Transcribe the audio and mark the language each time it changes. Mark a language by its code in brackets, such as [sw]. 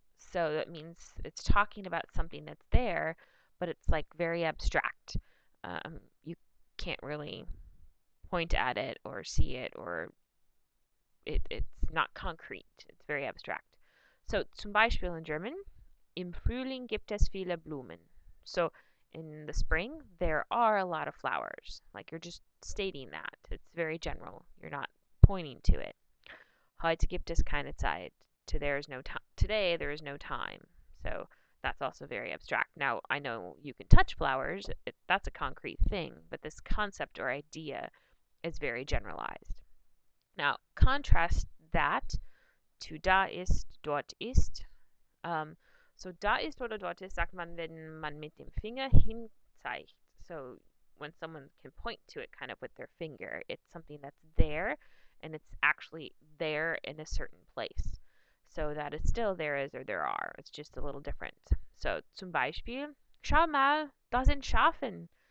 [en] So that means it's talking about something that's there, but it's like very abstract. You can't really point at it or see it, or it's not concrete. It's very abstract. [de] So zum Beispiel [en] in German, [de] im Frühling gibt es viele Blumen. [en] So in the spring, there are a lot of flowers. Like, you're just stating that. It's very general. You're not pointing to it. [de] Heute gibt es keine Zeit. [en] Today there is no time. So that's also very abstract. Now, I know you can touch flowers. That's a concrete thing. But this concept or idea is very generalized. Now, contrast that to [de] da ist, dort ist. So da ist oder dort ist, sagt man, wenn man mit dem Finger hinzeigt. [en] So when someone can point to it kind of with their finger, it's something that's there, and it's actually there in a certain place. So that it's still there is or there are. It's just a little different. [de] So zum Beispiel, schau mal, da sind Schafen.